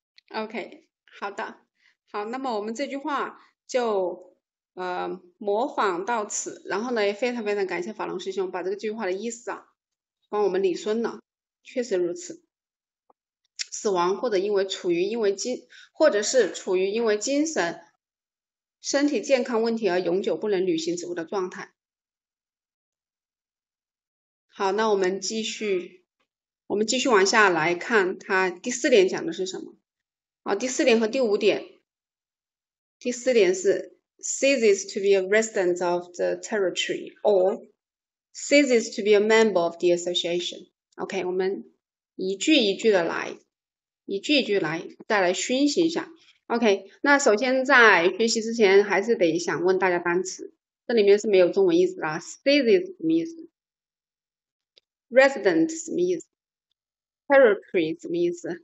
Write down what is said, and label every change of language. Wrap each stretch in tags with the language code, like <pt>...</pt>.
<zh>OK， 好的，好，那么我们这句话就模仿到此，然后呢也非常非常感谢法龙师兄把这个句话的意思啊帮我们理顺了，确实如此，死亡或者因为精神身体健康问题而永久不能履行职务的状态。好，那我们继续往下来看他第四点讲的是什么。第四点和第五点，第四点是</zh> <en>ceases to be a resident of the territory or ceases to be a member of the association.</en> <zh>OK, 我们一句一句的来，一句一句来，再来熏习一下。 OK, 那首先在学习之前还是得想问大家单词，这里面是没有中文意思的， ceases 什么意思？ resident 什么意思？territory 什么意思？</zh>